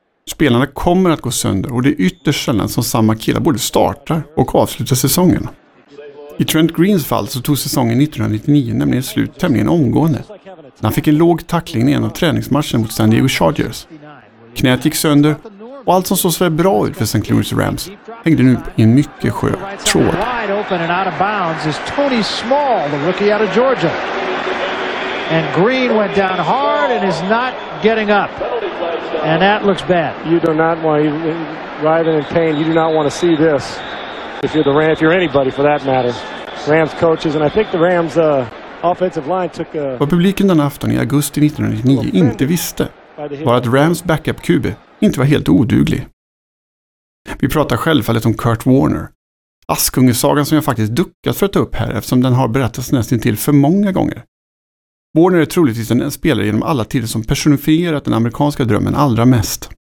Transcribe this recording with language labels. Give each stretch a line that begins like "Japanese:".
Swedish: Spelarna kommer att gå sönder och det är ytterst sällan som samma killar både startar och avslutar säsongen. I Trent Greens fall så tog säsongen 1999 nämligen slut tämligen omgående. När han fick en låg tackling i en av träningsmatchen mot San Diego Chargers. Knät gick sönder och allt som såg så bra ut för St. Louis Rams hängde nu i en mycket skör tråd.
English: Wide open and out of bounds is Tony Small, the rookie out of Georgia. And Green went down hard and is not getting up. And that looks bad. You do not want to ride in pain. You do not want to see this. If you're the Rams, if you're anybody for that matter. Rams coaches and I think the Rams offensive line took a...
Swedish: Vad publiken den afton i augusti 1999 inte visste var att Rams backup QB inte var helt oduglig. Vi pratar självfallet om Kurt Warner. Askungesagan som jag faktiskt duckat för att ta upp här eftersom den har berättats nästan till för många gånger. Warner är troligtvis en spelare genom alla tider som personifierat den amerikanska drömmen allra mest.